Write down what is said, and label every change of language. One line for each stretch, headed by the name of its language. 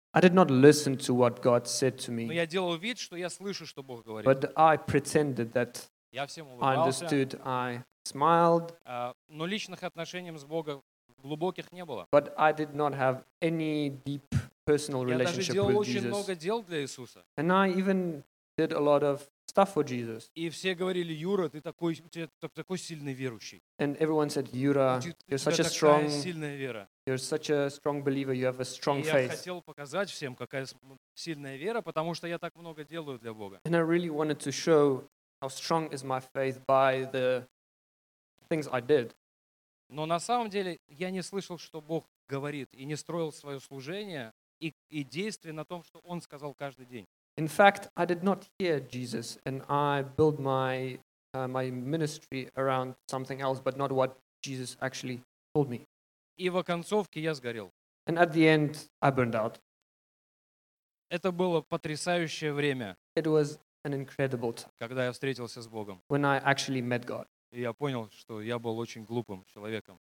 English: I did not listen to what God said to me.
Russian: Но я делал вид, что я слышу, что Бог говорит.
English: But I pretended that
Russian: я всем улыбался.
English: I understood, I smiled.
Russian: Но личных отношений с Богом глубоких не было.
English: But I did not have any deep personal relationship with Jesus.
Russian: Я даже делал очень много дел для Иисуса.
English: And I even did a lot of stuff for Jesus.
Russian: И все говорили: Юра, ты такой, у тебя такой сильный верующий.
English: And everyone said, Юра, you're such a strong.
Russian: Сильная вера.
English: You're such a strong believer. You have a strong faith.
Russian: Я хотел показать всем, какая сильная вера, потому что я так много делаю для Бога.
English: And I really wanted to show how strong is my faith by the things I did.
Russian: Но на самом деле я не слышал, что Бог говорит, и не строил свое служение и действие на том, что Он сказал каждый день.
English: In fact, I did not hear Jesus, and I built my my ministry around something else, but not what Jesus actually told me.
Russian: И в оконцовке я сгорел.
English: And at the end, I burned out.
Russian: Это было потрясающее время.
English: It was an incredible time.
Russian: Когда я встретился с Богом.
English: When I actually met God.
Russian: И я понял, что я был очень глупым человеком.